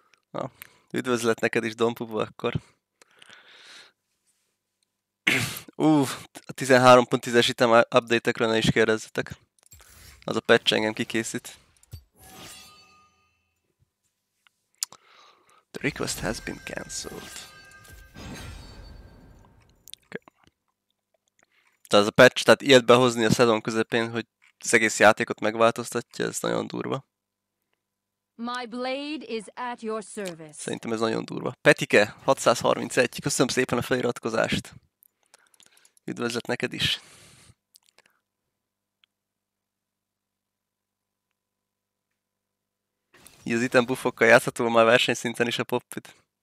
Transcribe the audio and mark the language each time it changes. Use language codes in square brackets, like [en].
[hu] Na, üdvözlet neked is, Dompubu, akkor. A 13.10-es item update-ekről ne is kérdezzetek. Az a patch engem kikészít. [en] The request has been cancelled. Okay. [hu] Tehát ez a patch, tehát ilyet behozni a szezon közepén, hogy az egész játékot megváltoztatja, ez nagyon durva. [en] My blade is at your service. [hu] Szerintem ez nagyon durva. Petike, 631, köszönöm szépen a feliratkozást. Üdvözlet neked is. Így az item buffokkal játszható már versenyszinten is a poppit.